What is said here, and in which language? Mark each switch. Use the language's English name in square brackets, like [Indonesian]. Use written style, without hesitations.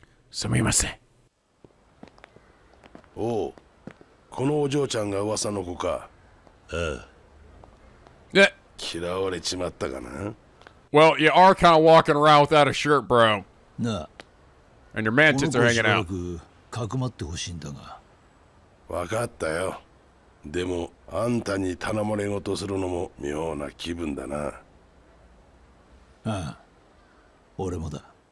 [Japanese] すみません。おお、このお嬢ちゃんが噂の子か。ああ。で、嫌われちまったかな。Well, [English] you are kind of walking around without a shirt, bro. [Japanese] な。And [English] your man tits are hanging out. [Japanese] かくまってほしいんだが。わかったよ。でもあんたに頼まれ事するのも妙な気分だな。ああ、俺もだ。